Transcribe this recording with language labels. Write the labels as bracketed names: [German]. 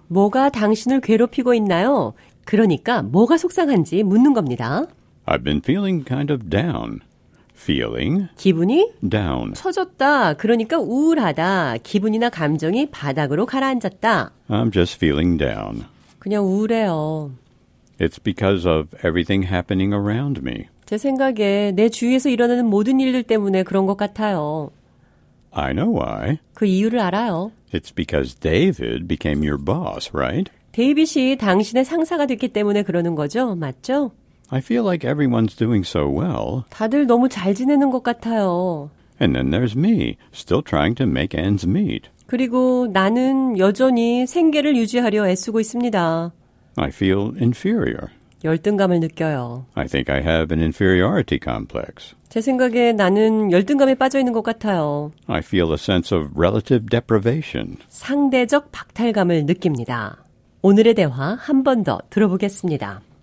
[Korean] 뭐가 당신을 괴롭히고 있나요? 그러니까 뭐가 속상한지 묻는 겁니다. [English] I've been feeling kind of down. Feeling? [Korean] 기분이? [English] Down. [Korean] 처졌다. 그러니까 우울하다. 기분이나 감정이 바닥으로 가라앉았다. [English] I'm just feeling down. [Korean] 그냥 우울해요. [English] It's because of everything happening around me. [Korean] 제 생각에 내 주위에서 일어나는 모든 일들 때문에 그런 것 같아요. [English] I know why. [Korean] 그 이유를 알아요. [English] It's because David became your boss, right? [Korean] 데이빗이 당신의 상사가 됐기 때문에 그러는 거죠, 맞죠? [English] I feel like everyone's doing so well. [Korean] 다들 너무 잘 지내는 것 같아요. [English] And then there's me, still trying to make ends meet. [Korean] 그리고 나는 여전히 생계를 유지하려 애쓰고 있습니다. [English] I feel inferior. [Korean] 열등감을 느껴요. [English] I think I have an inferiority complex. [Korean] 제 생각에 나는 열등감에 빠져 있는 것 같아요. [English] I feel a sense of relative deprivation. [Korean] 상대적 박탈감을 느낍니다. 오늘의 대화 한 번 더 들어보겠습니다.